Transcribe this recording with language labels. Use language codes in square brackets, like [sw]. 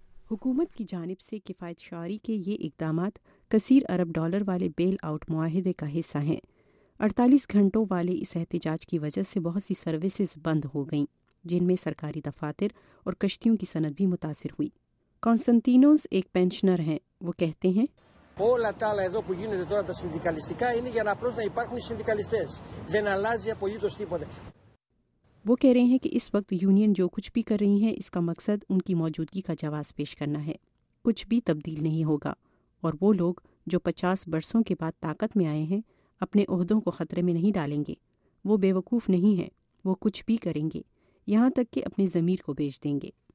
[ur] حکومت کی جانب سے کفایت شعاری کے یہ اقدامات کثیر ارب ڈالر والے بیل آؤٹ معاہدے کا حصہ ہیں. 48 گھنٹوں والے اس احتجاج کی وجہ سے بہت سی سروسز بند ہو گئیں جن میں سرکاری دفاتر اور کشتیوں کی صنعت بھی متاثر ہوئی. کانسٹنٹینوس ایک پینشنر ہیں. وہ کہتے ہیں [el] Όλα τα άλλα εδώ που γίνονται τώρα τα συνδικαλιστικά είναι για να απλώς να υπάρχουν οι συνδικαλιστές. Δεν αλλάζει απολύτως τίποτα. [ur] وہ کہہ رہے ہیں کہ اس وقت یونین جو کچھ بھی کر رہی ہے اس کا مقصد ان کی موجودگی کا جواز پیش کرنا ہے. کچھ بھی تبدیل نہیں ہوگا، اور وہ لوگ جو 50 برسوں کے بعد طاقت میں آئے ہیں اپنے عہدوں کو خطرے میں نہیں ڈالیں گے، وہ بے وقوف نہیں ہیں، وہ کچھ بھی کریں گے، یہاں تک کہ اپنی ضمیر کو بیچ دیں گے۔